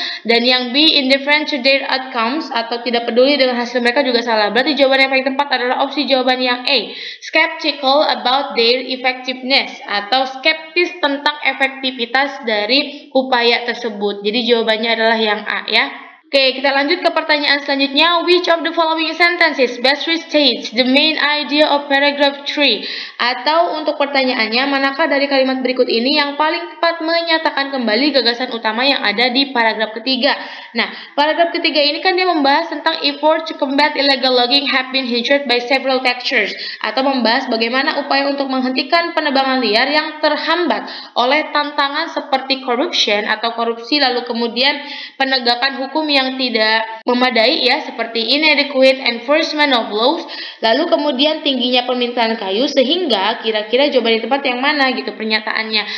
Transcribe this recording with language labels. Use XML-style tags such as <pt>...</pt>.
<id>Dan yang B,</id> <en>indifferent to their outcomes</en> <id>atau tidak peduli dengan hasil mereka juga salah. Berarti jawaban yang paling tepat adalah opsi jawaban yang A,</id> <en>skeptical about their effectiveness</en> <id>atau skeptis tentang efektivitas dari upaya tersebut. Jadi jawabannya adalah yang A ya. Oke, kita lanjut ke pertanyaan selanjutnya.</id> <en>Which of the following sentences best restates the main idea of paragraph 3?</en> <id>Atau untuk pertanyaannya, manakah dari kalimat berikut ini yang paling tepat menyatakan kembali gagasan utama yang ada di paragraf ketiga? Nah, paragraf ketiga ini kan dia membahas tentang</id> <en>effort to combat illegal logging</en> <id>have been hindered by several factors. Atau membahas bagaimana upaya untuk menghentikan penebangan liar yang terhambat oleh tantangan seperti corruption atau korupsi, lalu kemudian penegakan hukum yang tidak memadai ya, seperti</id> <en>inadequate enforcement of laws,</en> <id>lalu kemudian tingginya permintaan kayu, sehingga kira-kira jawaban yang tepat yang mana gitu pernyataannya.</id>